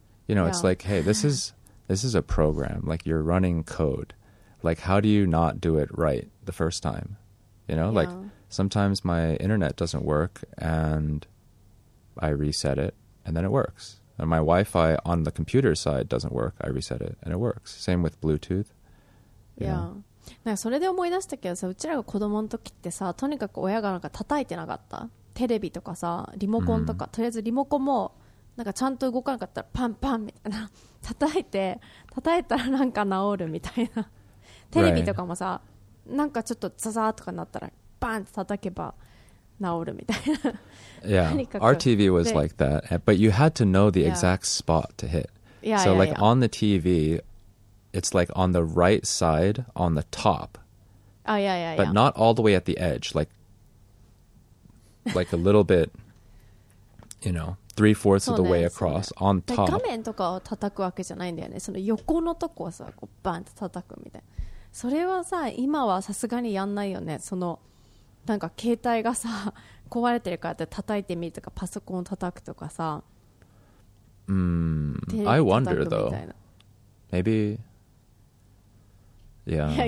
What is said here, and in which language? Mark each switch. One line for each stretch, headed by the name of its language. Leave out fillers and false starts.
English: You know, it's like, hey, this is a program, like you're running code. Like, how do you not do it right the first time? You know, like, sometimes my internet doesn't work and I reset it and then it works. And my Wi-Fi on the computer side doesn't work. I reset it and it works. Same with Bluetooth. Yeah.
Japanese: なんかそれで思い出したけどさ、うちらが子供の時ってさ、とにかく親がなんか叩いてなかった。テレビとかさ、リモコンとか、とりあえずリモコンもなんかちゃんと動かなかったらパンパンみたいな。叩いたらなんか治るみたいな。テレビとかもさ、なんかちょっとザザーとかなったら、バンって叩けば治るみたいな。
English: Yeah, our TV was like that. But you had to know the exact spot to hit. Yeah, so yeah, like yeah. on the TV, it's like on the right side, on the top. Oh, yeah, yeah, yeah. But not all the way at the edge. Like a little bit, you know, 3/4 of the way across on top.
Japanese: 画面とかを叩くわけじゃないんだよね。その横のとこをさ、こうバンって叩くみたいな。それはさ、今はさすがにやんないよね。そのなんか携帯がさ壊れてるからって叩いてみるとか、パソコン叩くとかさ。
English: I wonder though. Maybe. Yeah.